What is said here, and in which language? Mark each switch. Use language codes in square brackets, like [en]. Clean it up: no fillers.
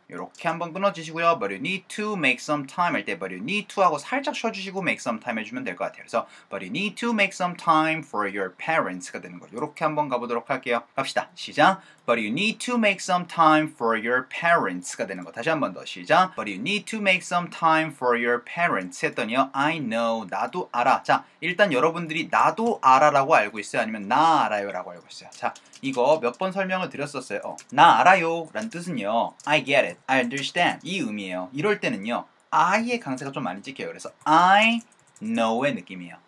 [ko] 이렇게 한번 끊어주시고요. [en] But you need to make some time [ko] 할 때 [en] but you need to [ko] 하고 살짝 쉬어주시고 [en] make some time [ko] 해주면 될 것 같아요. 그래서 [en] but you need to make some time for your parents가 [ko] 되는 거. [en] 이렇게 한번 가보도록 할게요. 갑시다. 시작. But you need to make some time for your parents가 [ko] 되는 거. [en] 다시 한번 더. 시작. But you need to make some time for your parents [ko] 했더니요. [en] I know. [ko] 나도 알아. 자, 일단 여러분들이 나도 알아라고 알고 있어요? 아니면 나 알아요라고 알고 있어요? 자, 이거 몇 번 설명을 드렸었어요. 나 알아요 라는 뜻은요. [en] I get it. I understand. [ko] 이 의미예요. 이럴 때는요. I의 강세가 좀 많이 찍혀요. 그래서 I know의 느낌이에요.